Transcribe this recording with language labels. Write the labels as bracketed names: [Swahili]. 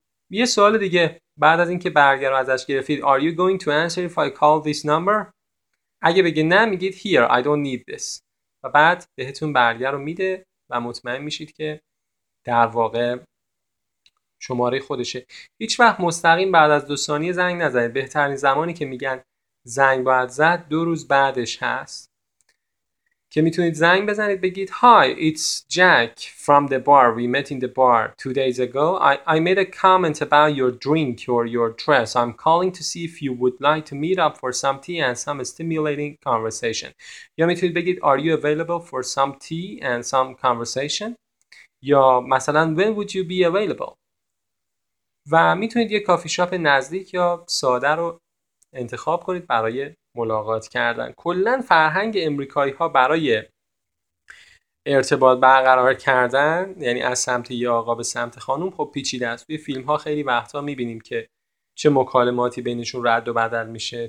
[Persian] یه سوال دیگه بعد از اینکه برگر رو ازش گرفتید، [English] are you going to answer if I call this number؟ [Persian] اگه بگه نه، میگید [English] here I don't need this، [Persian] و بعد بهتون برگر رو میده و مطمئن میشید که در واقع شماره خودشه. هیچ وقت مستقیم بعد از دو ثانیه زنگ نزنید. بهترین زمانی که میگن زنگ باید زد دو روز بعدش هست، که میتونید زنگ بزنید بگید [English] Hi, it's Jack from the bar. We met in the bar 2 days ago. I made a comment about your drink or your dress. I'm calling to see if you would like to meet up for some tea and some stimulating conversation. [Persian] یا میتونید بگید [English] Are you available for some tea and some conversation? [Persian] یا مثلا [English] When would you be available? [Persian] و میتونید یک کافی شاپ نزدیک یا ساده رو انتخاب کنید برای ملاقات کردن. کلن فرهنگ امریکایی ها برای ارتباط برقرار کردن، یعنی از سمت یه آقا به سمت خانم، خب پیچیده است. توی فیلم ها خیلی وقتا میبینیم که چه مکالماتی بینشون رد و بدل میشه.